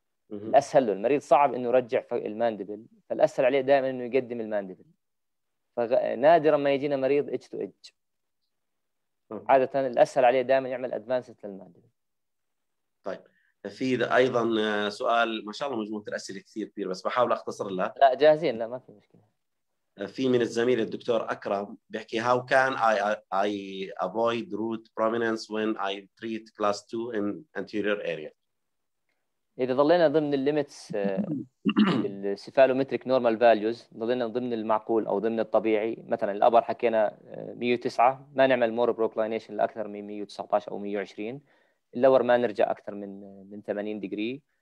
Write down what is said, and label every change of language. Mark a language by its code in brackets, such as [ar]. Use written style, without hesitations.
[ar] الأسهل له المريض صعب إنه يرجع الماندبل، فالأسهل عليه دائما إنه يقدم الماندبل. فنادرا ما يجينا مريض edge to edge، عادة الأسهل عليه دائما يعمل advanced للماندبل. طيب في ايضا سؤال، ما شاء الله مجموعه الاسئله كثير كبير بس بحاول اختصر لها. لا جاهزين، لا ما في مشكله. في من الزميل الدكتور اكرم بيحكي [en] how can I avoid root prominence when I treat class 2 in anterior area. [ar] اذا ظلينا ضمن الليميتس السيفالومتريك نورمال فاليوز، ظلينا ضمن المعقول او ضمن الطبيعي، مثلا الابر حكينا 109 ما نعمل مور بروكلاينيشن لاكثر من 119 او 120، اللور ما نرجع اكثر من 80 ديجري.